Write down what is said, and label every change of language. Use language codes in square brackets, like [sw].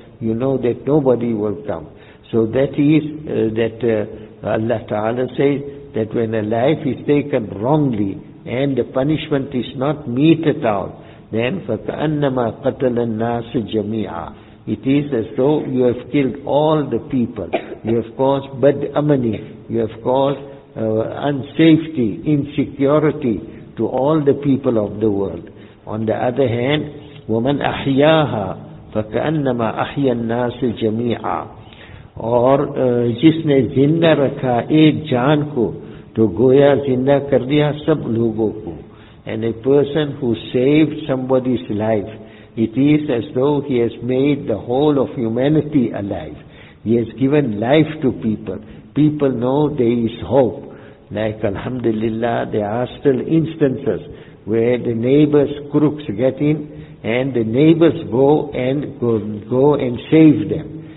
[en] You know that nobody will come. So that is Allah Ta'ala says that when a life is taken wrongly and the punishment is not meted out, then [ar] فَكَأَنَّمَا قَتَلَ النَّاسِ جَمِيعًا. [en] It is as though you have killed all the people. You have caused bad amani. You have caused unsafety, insecurity to all the people of the world. On the other hand, [ar] وَمَنْ أَحْيَاهَا فَكَأَنَّمَا أَحْيَا النَّاسِ جَمِيعًا. [ur] اور جس نے زندہ رکھا ایک جان کو تو گویا زندہ کر دیا سب لوگوں کو. [en] And a person who saved somebody's life, it is as though he has made the whole of humanity alive. He has given life to people. People know there is hope. Like alhamdulillah, there are still instances where the neighbors' crooks get in and the neighbors go and save them.